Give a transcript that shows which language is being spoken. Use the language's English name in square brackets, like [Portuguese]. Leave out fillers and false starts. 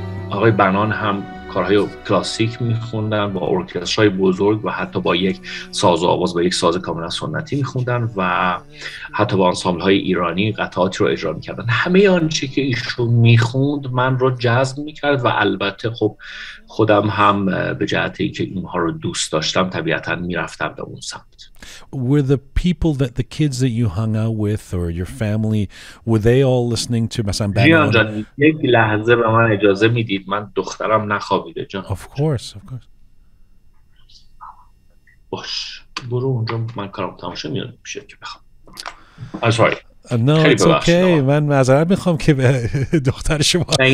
[Persian] آقای بنان هم کارهای کلاسیک میخوندن با ارکسترهای بزرگ و حتی با یک ساز و آواز با یک ساز کاملا سنتی میخوندن و حتی با انسامبل های ایرانی قطعاتی رو اجرا میکردن. همه آنچه که ایشون میخوند من رو جذب میکرد و البته خب خودم هم به جهت اینکه اینها رو دوست داشتم طبیعتا میرفتم به اون سمت. [English] Were the people that the kids that you hung out with or your family, were they all listening to [Persian] مثلا [English] بنان؟ [Persian] جیان جان یک لحظه به من اجازه میدید؟ من دخترم نخوابیده جان. [English] Of course. [Persian] باش برو اونجا من کارم تماشا میاد میشه که بخوام. [English] I'm sorry. No, it's okay. [Persian] من معذرت میخوام که به دختر شما